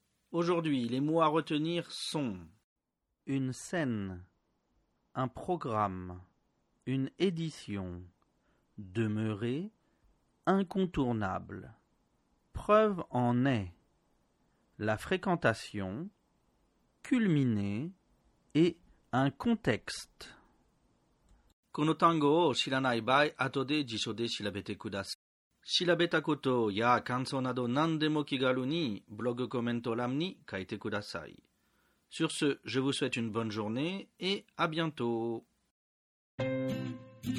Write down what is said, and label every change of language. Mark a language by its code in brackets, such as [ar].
[fr] Aujourd'hui, les mots à retenir sont une scène, un programme, une édition, demeurer, incontournable, preuve en est, la fréquentation, culminer et un contexte. [ja] この単語を知らない場合、後で辞書で調べてください。調べたことや感想など何でも気軽にブログコメント欄に書いてください。 [fr] Sur ce, je vous souhaite une bonne journée et à bientôt!